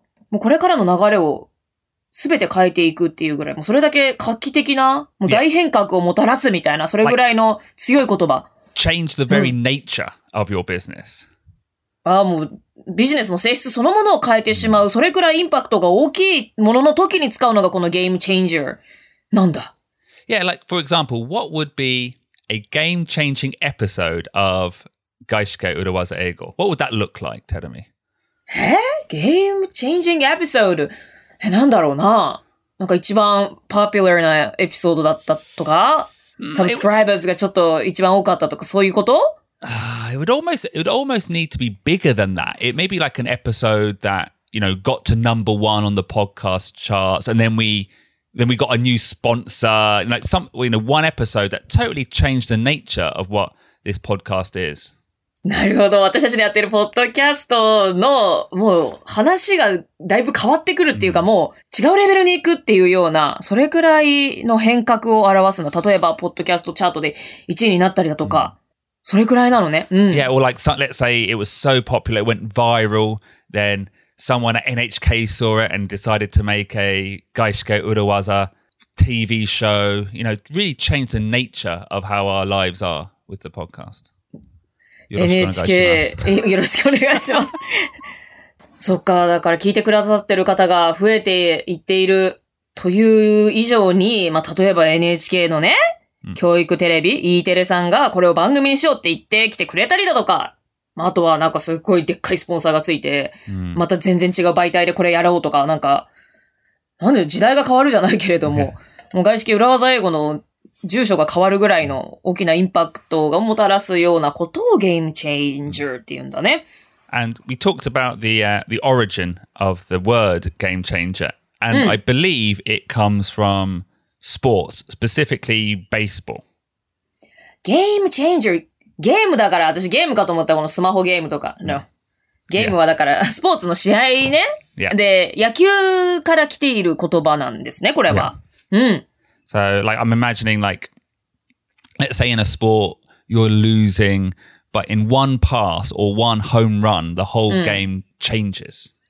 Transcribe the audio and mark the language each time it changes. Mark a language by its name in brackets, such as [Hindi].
[Japanese] もうこれからの流れをすべて変えていくっていうぐらい、もうそれだけ画期的な、もう大変革をもたらすみたいな、それぐらいの強い言葉。 [English] Change the very nature of your business. [Japanese] ああ、もう、ビジネスの性質そのものを変えてしまう、それくらいインパクトが大きいものの時に使うのがこのゲームチェンジャーなんだ。 [English] Yeah, like, for example, what would be a game-changing episode of Gaishike Urawaza Eigo? What would that look like, Terumi? [Japanese] え? ゲームチェンジングエピソード?え、なんだろうな? なんか一番ポピュラーなエピソードだったとか? サブスクライバーズがちょっと一番多かったとか、そういうこと? [English] It would almost need to be bigger than that. It may be like an episode that, you know, got to number one on the podcast charts, and then we got a new sponsor, like some, you know, one episode that totally changed the nature of what this podcast is. [Japanese] なるほど。私たちのやってるポッドキャストの、もう話がだいぶ変わってくるっていうか、もう違うレベルに行くっていうような、それくらいの変革を表すの。例えば、ポッドキャストチャートで1位になったりだとか、それくらいなのね。うん。 [English] Yeah, or like, let's say it was so popular, it went viral, then someone at NHK saw it and decided to make a Gaishike Urawaza TV show, you know, really changed the nature of how our lives are with the podcast. [Japanese] NHK、よろしくお願いします。そっか、だから聞いてくださってる方が増えていっているという以上に、まあ、例えば NHK のね、教育テレビ、E テレさんがこれを番組にしようって言ってきてくれたりだとか、まあ、あとはなんかすっごいでっかいスポンサーがついて、また全然違う媒体でこれやろうとか、なんか、なんで時代が変わるじゃないけれども、もう外資系裏技英語の住所が変わるぐらいの大きなインパクトがもたらすようなことをゲームチェンジャーって言うんだね。 [English] And we talked about the origin of the word game changer. And、うん、I believe it comes from sports, specifically baseball. [Japanese] ゲームチェンジャー。ゲームだから私ゲームかと思ったこのスマホゲームとか。 No. ゲームはだから、yeah. スポーツの試合ね。 [English] Yeah. [Japanese] で、野球から来ている言葉なんですね、これは。 [English] Yeah. うん。 So, like, I'm imagining, like, let's say in a sport, you're losing, but in one pass or one home run, the whole game changes.